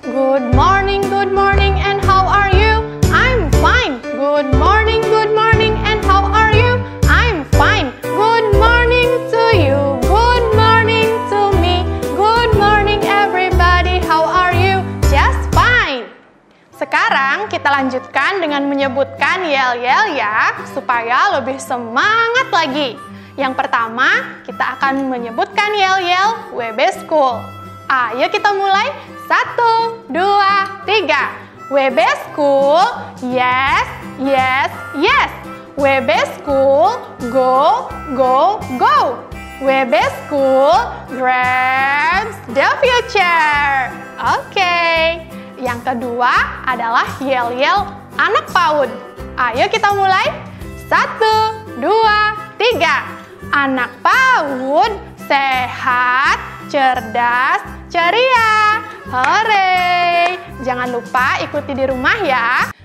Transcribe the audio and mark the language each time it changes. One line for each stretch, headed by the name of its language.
English: Good morning, and how are you? I'm fine. Good morning, and how are you? I'm fine. Good morning to you. Good morning to me. Good morning, everybody. How are you? Just fine.
Indonesian: Sekarang kita lanjutkan dengan menyebutkan yel-yel ya, supaya lebih semangat lagi. Yang pertama, kita akan menyebutkan yel-yel WB School. Ayo kita mulai. 1, 2, 3.
English: WB School, yes, yes, yes. WB School, go, go, go. WB School, grabs the future. Oke.
Indonesian: Yang kedua adalah yel-yel anak PAUD. Ayo kita mulai. 1, 2, 3. Anak PAUD sehat, cerdas, ceria. Hore! Jangan lupa ikuti di rumah ya.